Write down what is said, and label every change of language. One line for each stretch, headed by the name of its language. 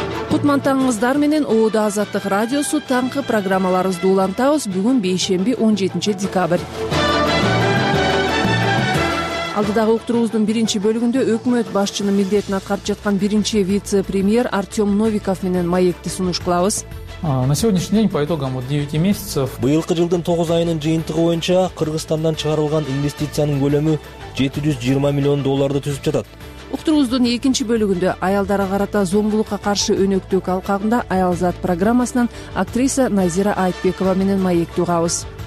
Kyrgyz: Кутман таңыңыздар менен Оодо Азаттык радиосу таңкы программаларыбызды улантабыз. Бүгүн бейшемби 17-декабрь. Алдыдагы уктуруубуздун биринчи бөлүгүндө өкмөт башчынын милдетин аткарып жаткан биринчи вице-премьер Артем Новиков менен маекти сунуш кылабыз.
Russian: На сегодняшний день по итогам вот 9 месяцев.
Kyrgyz: Быйылкы жылдын 9 айынын жыйынтыгы боюнча Кыргызстандан чыгарылган инвестициянын көлөмү 720 миллион долларды түзүп жатат. Уктуруубуздун экинчи бөлүгүндө аялдарга карата зомбулукка каршы өнөктүк алкагында аялзат программасынан актриса Назира Айтбекова менен маекти угабыз.